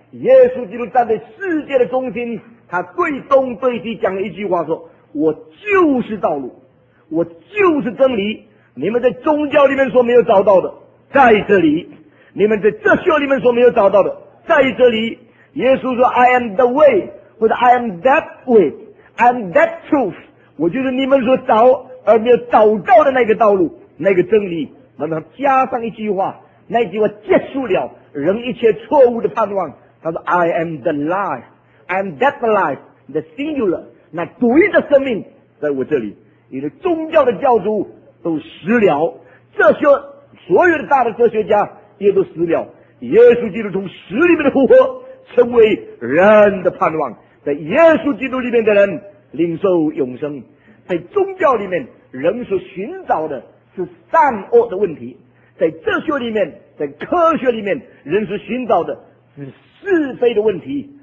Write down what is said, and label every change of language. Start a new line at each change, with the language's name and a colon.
Chinese: 耶稣基督站在世界的中心，他对东对西讲了一句话说，我就是道路，我就是真理，你们在宗教里面说没有找到的在这里，你们在哲学里面说没有找到的在这里。耶稣说
English: I am the way 或者 I am that way I am that truth，
Chinese: 我就是你们所找而没有找到的那个道路、那个真理。那么加上一句话，那句话结束了人一切错误的盼望。他说
English: I am the life， I am that life， the singular，
Chinese: 那独一的生命在我这里。你的宗教的教主都死了，哲学所有的大的哲学家也都死了，耶稣基督从死里面的复活成为人的盼望。在耶稣基督里面的人领受永生。在宗教里面，人所寻找的是善恶的问题；在哲学里面，在科学里面，人所寻找的是是非的问题。